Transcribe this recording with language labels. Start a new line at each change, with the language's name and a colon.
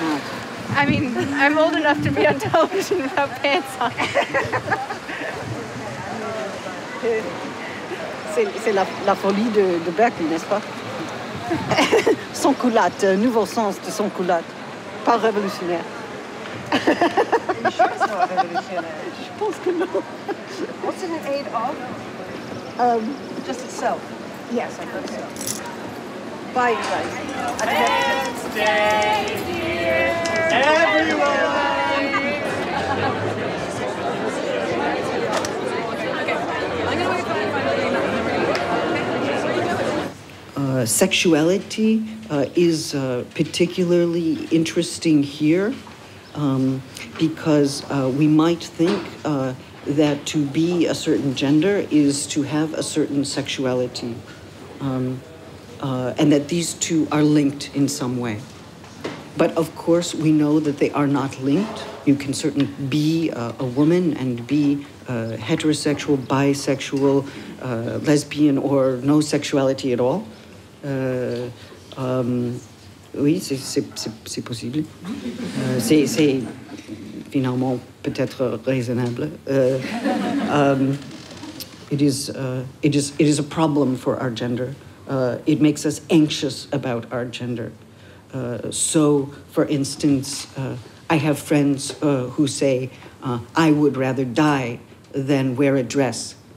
English: going to be on television and you're going to be in trouble, and I'm tell your parents. I mean, I'm old enough to be on television without pants on.
French: C'est la folie de Berkeley, n'est-ce pas? Sans culotte, nouveau sens de sans culotte. Pas révolutionnaire.
English: Are you sure it's not révolutionnaire?
French: Je pense que non.
English: What's in aid of? Just itself? Yes, I think so. Bye, you guys. Okay. Fans Day, dear. Everyone! Sexuality is particularly interesting here because we might think that to be a certain gender is to have a certain sexuality. And that these two are linked in some way. But of course, we know that they are not linked. You can certainly be a woman and be heterosexual, bisexual, lesbian, or no sexuality at all.
French: Oui, c'est possible. C'est finalement peut-être raisonnable.
English: It is a problem for our gender. It makes us anxious about our gender. So, for instance, I have friends who say, I would rather die than wear a dress.